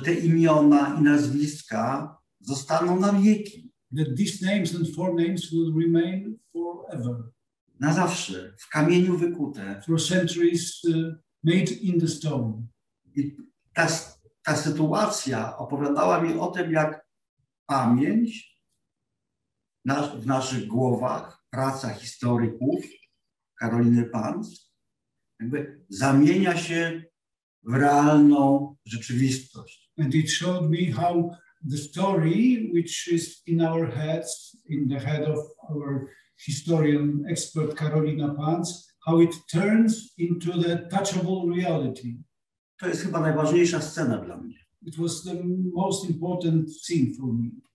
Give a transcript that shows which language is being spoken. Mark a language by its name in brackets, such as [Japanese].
[Polish] te imiona i nazwiska zostaną na wieki. [English] That these names and forenames will remain forever. [Polish] Na zawsze, w kamieniu wykute. [English] For centuries made in the stone. [Polish] I ta sytuacja opowiadała mi o tym, jak pamięć w naszych głowach, praca historyków Karoliny Pans jakby zamienia się w realną rzeczywistość. [English] And it showed me how the story, which is in our heads, in the head of our historian expert Karolina Pans, how it turns into the touchable reality. [Polish] To jest chyba najważniejsza scena dla mnie. [English] It was the most important scene for me.